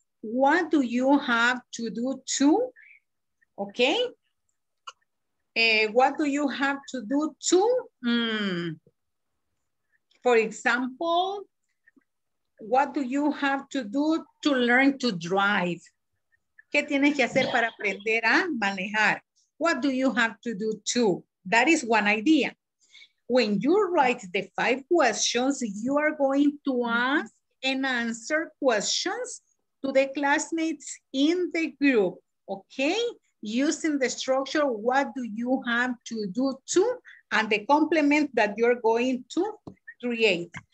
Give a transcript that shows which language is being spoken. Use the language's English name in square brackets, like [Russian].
[English] What do you have to do to? Okay. What do you have to do to? For example, what do you have to do to learn to drive? [Spanish] ¿Qué tienes que hacer para aprender a manejar? [English] What do you have to do to? That is one idea. When you write the 5 questions, you are going to ask and answer questions to the classmates in the group, okay? Using the structure, what do you have to do to, and the complement that you're going to create.